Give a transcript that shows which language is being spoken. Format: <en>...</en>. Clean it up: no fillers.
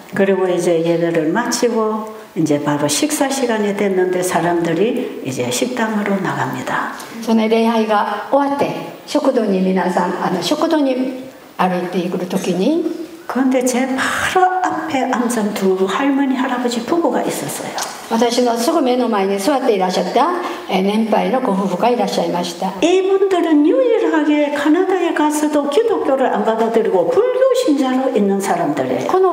<ko>그리고 이제 예배를 마치고 이제 바로 식사 시간이 됐는데 사람들이 이제 식당으로 나갑니다. 전에 예배가 끝에 식당에 皆さん 식당에</ko> <ja>歩いていく 時に</ja> <ko>근데 제 바로 앞에 앉은 두 할머니 할아버지 부부가 있었어요.</ko> <ja>私のすぐ目の前に座っていらっしゃった年配のご夫婦がいらっしゃいました。</ja> <ko>이분들은 유일하게 カナダへ 가서도 기독교를 안 받아들이고 불교 신자로 있는 사람들이에요.</ko>